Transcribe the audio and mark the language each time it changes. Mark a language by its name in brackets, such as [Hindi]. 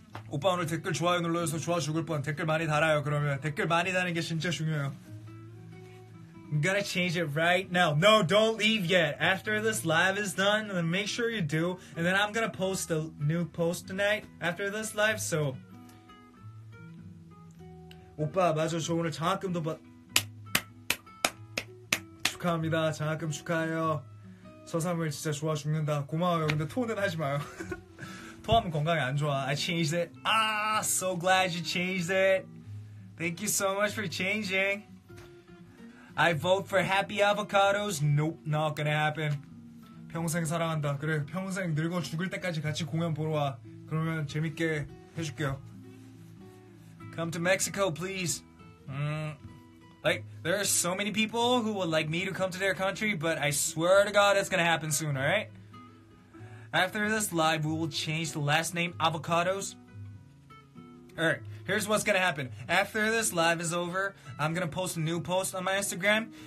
[Korean] 오빠 오늘 댓글 좋아요 눌러줘서 좋아 죽을 뻔. 댓글 많이 달아요, 그러면. 댓글 많이 다는 게 진짜 중요해요. [English] I'm gonna change it right now. No, don't leave yet. After this live is done, then make sure you do. And then I'm gonna post a new post tonight after this live, so... [Korean] 오빠, 맞아. 저 오늘 장학금도 받... 축하합니다. 장학금 축하해요. 서삼을 진짜 좋아 죽는다. 고마워요. 근데 토는 하지 마요. 토하면 건강에 안 좋아. [English] I changed it. Ah, so glad you changed it. Thank you so much for changing. I vote for happy avocados. Nope, not gonna happen. [Korean] 평생 사랑한다. 그래, 평생 늙어 죽을 때까지 같이 공연 보러 와. 그러면 재밌게 해줄게요. [English] Come to Mexico, please. Like, there are so many people who would like me to come to their country, but I swear to God it's gonna happen soon, alright? After this live, we will change the last name avocados. All right, here's what's gonna happen. After this live is over, I'm gonna post a new post on my Instagram.